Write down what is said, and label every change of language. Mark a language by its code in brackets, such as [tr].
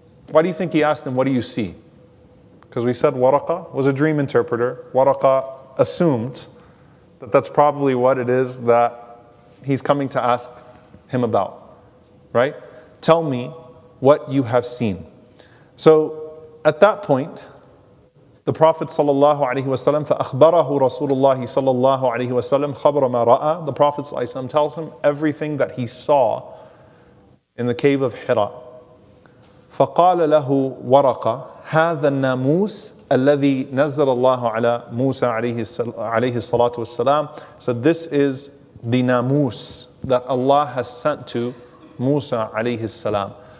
[en] Why do you think he asked him, what do you see? Because we said Waraqa was a dream interpreter. Waraqa assumed that that's probably what it is that he's coming to ask him about. Right? Tell me what you have seen. So at that point, the Prophet sallallahu alaihi wasallam, [ar] فَأَخْبَرَهُ رَسُولُ اللَّهِ صَلَّى اللَّهُ عَلَيْهِ وَسَلَّمَ خَبْرَ مَا رَأَى. [en] The Prophet sallallahu alaihi wasallam tells him everything that he saw in the cave of Hira. [ar] فَقَالَ لَهُ وَرَقَى هَذَا النَّامُوسَ الَّذِي نَزَّلَ اللَّهُ عَلَى مُوسَى عَلَيْهِ الصَّلَاةُ وَالسَّلَامُ. [en] So this is the namus that Allah has sent to Musa alaihi salam.